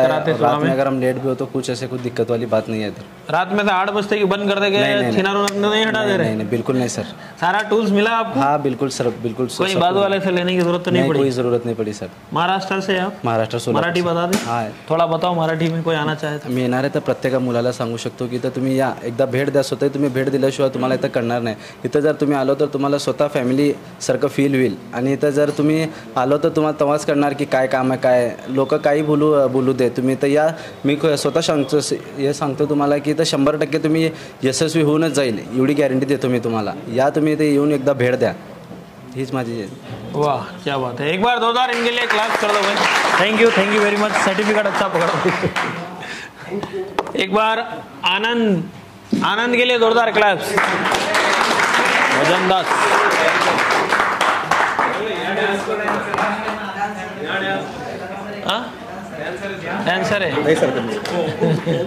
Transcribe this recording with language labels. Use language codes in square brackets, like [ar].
[hi] है, रात में अगर हम लेट भी हो तो कुछ ऐसे कोई दिक्कत वाली बात नहीं है इधर। रात में तो 8 बजे की बंद कर दे गए, नहीं हटा दे रहे? नहीं बिल्कुल नहीं सर। सारा टूल्स मिला आपको? हाँ बिल्कुल सर बिल्कुल। कोई बाद वाले से लेने की जरूरत नहीं पड़ी? कोई जरूरत नहीं पड़ी सर। महाराष्ट्र से आप? महाराष्ट्र से। मराठी बता दे? हाँ थोड़ा बताओ मराठी में, कोई आना चाहे [mr] तो। मैं येणार आहे तर प्रत्येक मुलाला सांगू शकतो की तर तुम्ही या एकदा भेट द्या, स्वतः तुम्ही तुम्ही भेट दिल्याशिवाय तुम्हाला इथं कळणार नाही. इथं जर तुम्ही आलो तर तुम्हाला स्वतः फॅमिलीसारखं फील होईल, आणि इथं जर तुम्ही आलो तर तुम्हाला तवाच कळणार की काय काम आहे काय. लोक काही बोलू दे तुम्ही, तर या मी स्वतः सांगतो हे सांगतो तुम्हाला की इथं 100% तुम्ही यशस्वी होऊनच जाईल एवढी गॅरंटी देतो मी तुम्हाला. या तुम्ही इथे येऊन एकदा भेट द्या, हीच माझी. [hi] वाह क्या बात है, एक बार दो दार इनके लिए क्लास कर दो भाई. Thank you very much. Certificate अच्छा पकड़ो. एक बार आनंद के लिए जोरदार क्लास. भजनदास डांसर है.